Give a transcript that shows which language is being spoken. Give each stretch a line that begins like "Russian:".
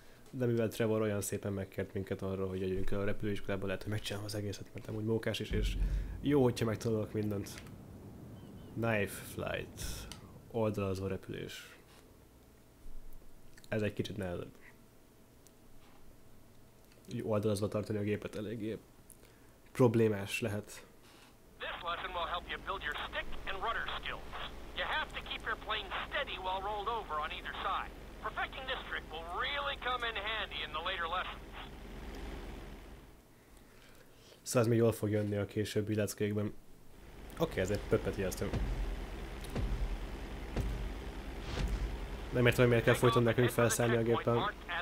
Hungarian: De mivel Trevor olyan szépen megkért minket arról, hogy jöjjünk el a repülőiskolába, lehet, hogy megcsinálom az egészet, mert amúgy mókás is, és jó, hogyha megtanulok mindent.
English: Knife flight.
Hungarian: Oldalazó repülés. Ez egy kicsit nehezebb. Úgy oldalazva tartani a gépet eléggé problémás lehet.
English: This lesson will help you build your stick and rudder skills. You have to keep your plane steady while rolled over on either side. Perfecting this trick will really come in handy in the later lessons.
Hungarian: Szóval ez még jól fog jönni a későbbi leckékben. Oké, ez egy pöppet ijesztem. Nem értem, hogy miért kell folyton nekünk felszállni a géppel.